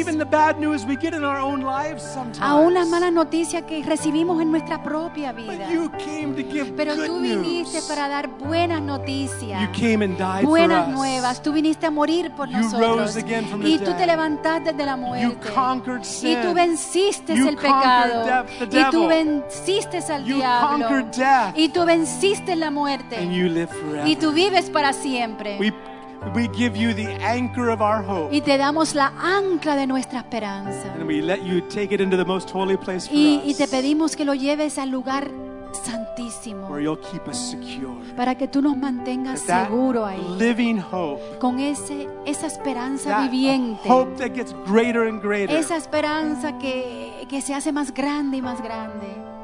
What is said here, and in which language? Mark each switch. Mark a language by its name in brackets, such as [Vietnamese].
[English] Even the bad news we get in our own lives sometimes. [Spanish] Aún las malas noticias que recibimos en nuestra propia vida. [English] But you came to give [Spanish] pero [English] good [Spanish] tú viniste [English] news. [Spanish] Para dar buenas noticias. [English] You came and died [Spanish] buenas [English] for [Spanish] nuevas. [English] Us. [Spanish] Tú viniste a morir por [English] you [Spanish] nosotros. [English] Rose again from the [Spanish] y [English] dead. [Spanish] Tú te levantaste de la muerte. [English] You conquered sin. [Spanish] Y tú venciste [English] you [Spanish] el pecado. [English] The devil. [Spanish] Y tú venciste al [English] you conquered death. [Spanish] Y tú venciste la muerte. [English] And you live forever. [Spanish] Y tú vives para siempre. [English] We give you the anchor of our hope. [Spanish] Y te damos la ancla de nuestra esperanza. [English] And we let you take it into the most holy place for [Spanish] y, [English] us. [Spanish] Y te pedimos que lo lleves al lugar santísimo. [English] Where you'll keep us secure. [Spanish] Para que tú nos mantengas seguro ahí. [English] Living hope. [Spanish] Con esa esperanza viviente. [English] Hope that gets greater and greater. [Spanish] Esa esperanza que se hace más grande y más grande.